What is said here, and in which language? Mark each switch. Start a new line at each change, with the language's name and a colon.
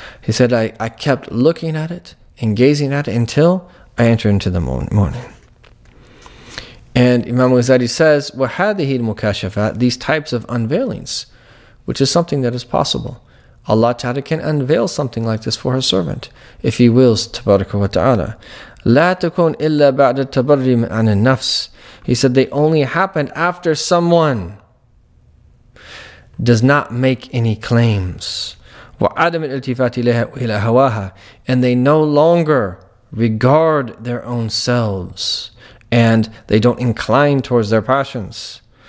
English: He said, I kept looking at it and gazing at it until I entered into the morning. And Imam Ghazali says,
Arabic: وَحَذِهِ الْمُكَاشَفَةِ,
English: these types of unveilings, which is something that is possible. Allah Ta'ala can unveil something like this for her servant, if he wills, tabaraka wa ta'ala.
Arabic: لا تكون إلا بعد التبرّي من عن النفس.
English: He said, they only happen after someone does not make any claims.
Arabic: وعدم الالتفات إلى هواها.
English: And they no longer regard their own selves, and they don't incline towards their passions.